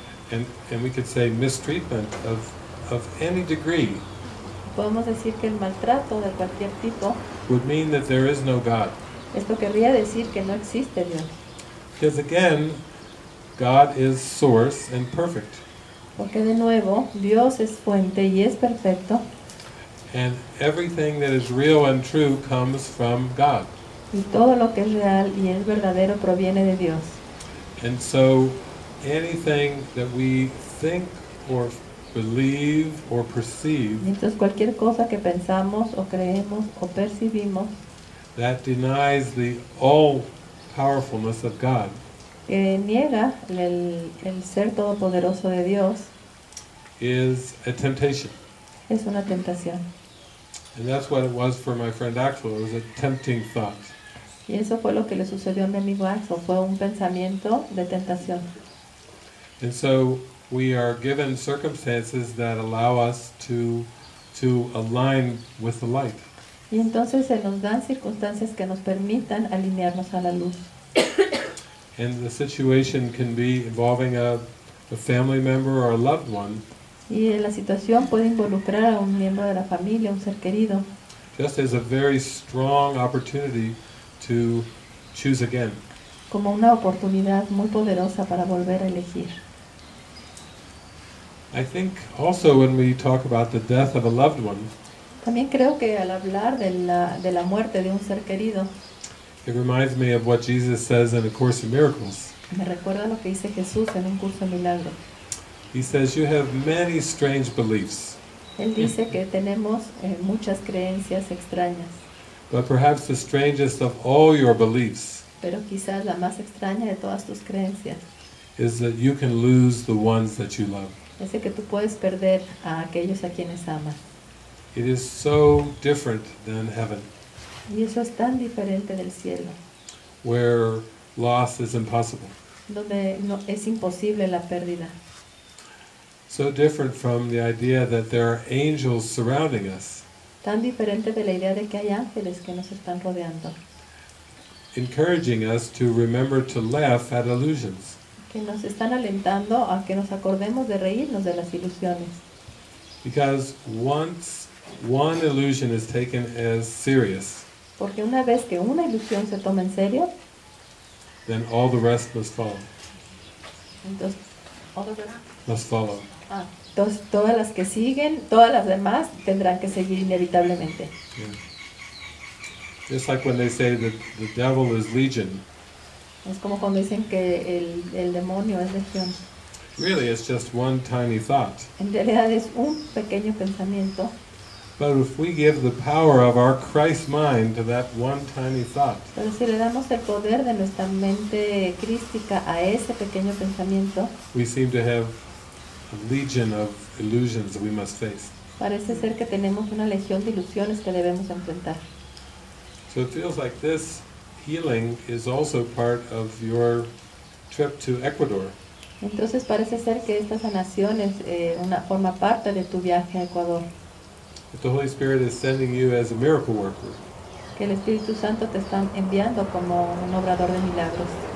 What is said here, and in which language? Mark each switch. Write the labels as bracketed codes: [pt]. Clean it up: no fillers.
[en] And we could say mistreatment of any degree. [es] Podemos decir que el maltrato de cualquier tipo [en] would mean that there is no God. [es] Esto querría decir que no existe Dios. [en] Because again, God is source and perfect. [es] Porque de nuevo, Dios es fuente y es perfecto. [en] And everything that is real and true comes from God. [es] Y todo lo que es real y es verdadero proviene de Dios. [en] And so, anything that we think or believe or perceive, [es] entonces cualquier cosa que pensamos o creemos o percibimos, [en] that denies the all-powerfulness of God. [es] Que niega el ser todopoderoso de Dios, [en] is a temptation. [es] Es una tentación. [en] And that's what it was for my friend Axel. It was a tempting thought. [es] Y eso fue lo que le sucedió a mi amigo Axel. Fue un pensamiento de tentación. [en] And so we are given circumstances that allow us to align with the light. [es] Y entonces se nos dan circunstancias que nos permitan alinearnos a la luz. [en] And the situation can be involving a family member or a loved one. [es] Y la situación puede involucrar a un miembro de la familia, un ser querido. [en] Just as a very strong opportunity to choose again. [es] Como una oportunidad muy poderosa para volver a elegir. [en] I think also when we talk about the death of a loved one, [es] también creo que al hablar de la muerte de un ser querido, [en] it reminds me of what Jesus says in A Course in Miracles. [es] Me recuerda lo que dice Jesús en un curso de milagros. [en] He says, you have many strange beliefs. [es] Él dice que tenemos muchas creencias extrañas. [en] But perhaps the strangest of all your beliefs, [es] pero quizás la más extraña de todas tus creencias, [en] is that you can lose the ones that you love. [es] Es que tú puedes perder a aquellos a quienes amas. [en] It is so different than heaven. [es] Y eso es tan diferente del cielo. [en] Where loss is impossible. [es] Donde no, es imposible la pérdida. [en] So different from the idea that there are angels surrounding us. [es] Tan diferente de la idea de que hay ángeles que nos están rodeando. [en] Encouraging us to remember to laugh at illusions. [es] Que nos están alentando a que nos acordemos de reírnos de las ilusiones. [en] Because once one illusion is taken as serious, [es] porque una vez que una ilusión se toma en serio, [en] then all the rest must follow. [es] Entonces, [en] all the rest must follow. [es] Entonces, todas las que siguen, todas las demás tendrán que seguir inevitablemente. [en] Yeah. Just like when they say that the devil is legion. [es] Es como cuando dicen que el demonio es legión. [en] Really, it's just one tiny thought. [es] En realidad es un pequeño pensamiento. [en] But if we give the power of our Christ mind to that one tiny thought, [es] pero si le damos el poder de nuestra mente crística a ese pequeño pensamiento, [en] we seem to have a legion of illusions that we must face. [es] Parece ser que tenemos una legión de ilusiones que debemos enfrentar. [en] So it feels like this healing is also part of your trip to Ecuador. [es] Entonces parece ser que esta sanación es una forma parte de tu viaje a Ecuador. [en] That the Holy Spirit is sending you as a miracle worker. [es] Que el Espíritu Santo te está enviando como un obrador de milagros.